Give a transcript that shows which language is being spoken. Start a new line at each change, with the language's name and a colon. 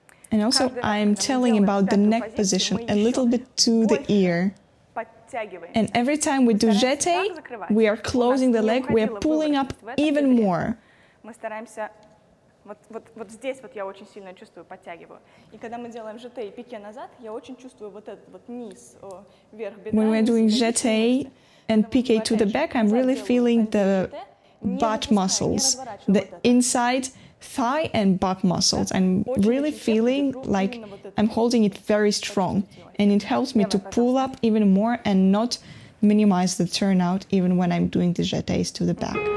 English: And also, I am telling about the neck position a little bit to the ear. And every time we do jeté, we are closing the leg, we are pulling up even more.
Russian: Вот здесь вот я очень сильно чувствую, подтягиваю. И когда мы делаем жете и пике назад, я очень чувствую вот этот вот низ, вверх бедра.
English: When we're doing jeté and pique to the back, I'm really feeling the butt muscles, the inside thigh and butt muscles. I'm really feeling like I'm holding it very strong. And it helps me to pull up even more and not minimize the turnout even when I'm doing the jetés to the back.